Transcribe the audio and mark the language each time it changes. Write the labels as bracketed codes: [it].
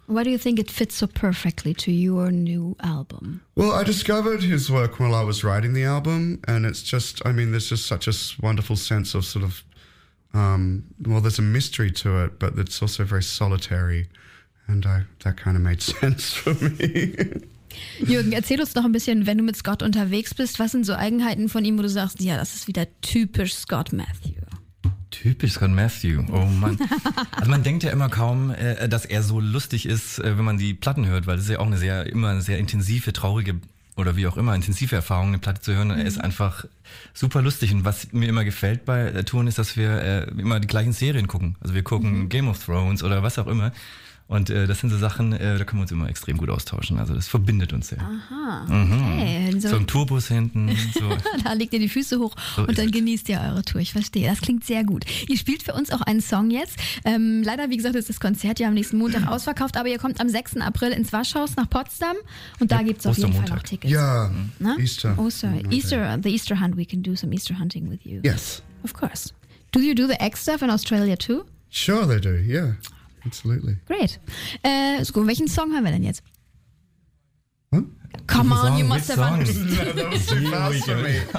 [en] Why do you think it fits so perfectly to your new album? Well, I discovered his work while I was writing the album. And it's just, I mean, there's just such a wonderful sense of sort of, well, there's a mystery to it, but it's also very solitary. And that kind of made sense for me. [de] Jürgen, erzähl uns noch ein bisschen, wenn du mit Scott unterwegs bist, was sind so Eigenheiten von ihm, wo du sagst, ja, das ist wieder typisch Scott Matthew? Typisch Scott Matthew, oh Mann. Also man denkt ja immer kaum, dass er so lustig ist, wenn man die Platten hört, weil das ist ja auch immer eine sehr intensive, traurige oder wie auch immer intensive Erfahrung, eine Platte zu hören. Mhm. Er ist einfach super lustig und was mir immer gefällt bei Touren ist, dass wir immer die gleichen Serien gucken. Also wir gucken Game of Thrones oder was auch immer. Und das sind so Sachen, da können wir uns immer extrem gut austauschen. Also das verbindet uns sehr. Aha, okay. So ein Tourbus hinten. So. Da legt ihr die Füße hoch so und dann genießt ihr eure Tour. Ich verstehe, das klingt sehr gut. Ihr spielt für uns auch einen Song jetzt. Leider, wie gesagt, ist das Konzert ja am nächsten Montag ausverkauft. Aber ihr kommt am 6. April ins Waschhaus nach Potsdam. Und da gibt es auf jeden Fall noch Tickets. Ja, na? Easter. [en] Oh, sorry. Easter, the Easter Hunt. We can do some Easter hunting with you. Yes. Of course. Do you do the egg stuff in Australia too? Sure they do, yeah. Absolutely. Great. [de] So, welchen Song hören wir denn jetzt? Huh? [en] Come on, you must have songs. That was too fast for me.